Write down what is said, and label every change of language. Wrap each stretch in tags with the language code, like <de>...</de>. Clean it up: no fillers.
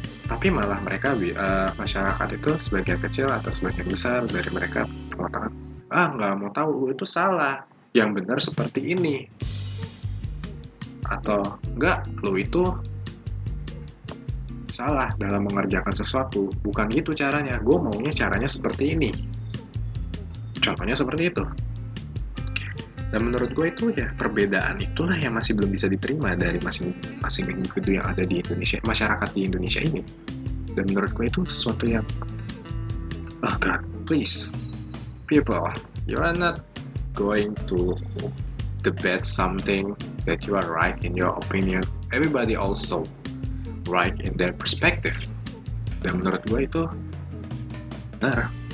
<id>Tapi malah mereka, masyarakat itu sebagian kecil atau sebagian besar dari mereka mengatakan, ah nggak mau tahu, itu salah, yang benar seperti ini, atau nggak, lu itu salah dalam mengerjakan sesuatu, bukan gitu caranya, gue maunya caranya seperti ini. Contohnya seperti itu. Dan menurut gue itu ya perbedaan itulah yang masih belum bisa diterima dari masing-masing individu yang ada di Indonesia, masyarakat di Indonesia ini. Dan menurut gue itu sesuatu yang agak</id> <en>please, people, you are not going to debate something that you are right in your opinion. Everybody also right in their perspective.</en> <id>Dan menurut gue itu benar.</id>